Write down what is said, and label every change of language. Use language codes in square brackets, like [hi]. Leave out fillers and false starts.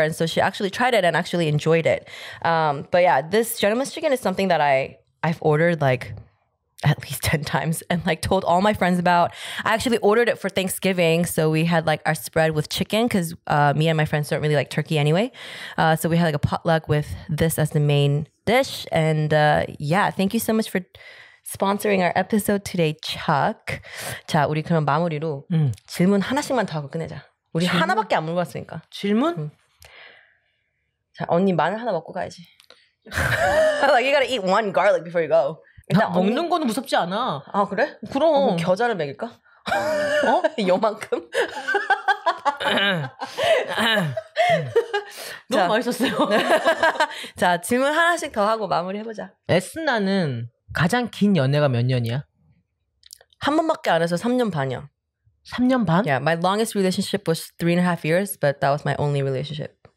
[en] And so she actually tried it and actually enjoyed it. But yeah, this gentleman's chicken is something that I've ordered like at least 10 times and like told all my friends about. I actually ordered it for Thanksgiving. So we had like our spread with chicken because me and my friends don't really like turkey anyway. So we had like a potluck with this as the main dish. And yeah, thank you so much for sponsoring our episode today, Chuck. [ko] 자, 우리 그럼 마무리로 질문 하나씩만 더 하고 끝내자. 우리 질문? 하나밖에 안 물어봤으니까. 질문? 자, 언니 마늘 하나 먹고 가야지. [en] Like you gotta eat one garlic before you go. [ko] 나 먹는 언니... 거는 무섭지 않아. 아 그래? 그럼. 뭐 겨자를 먹일까? 어? 요만큼? 너무 맛있었어요. 자 질문 하나씩 더 하고 마무리 해보자. 에스나는 가장 긴 연애가 몇 년이야? 한 번밖에 안 해서 3년 반이야. 3년 반? [en] Yeah, my longest relationship was 3.5 years, but that was my only relationship.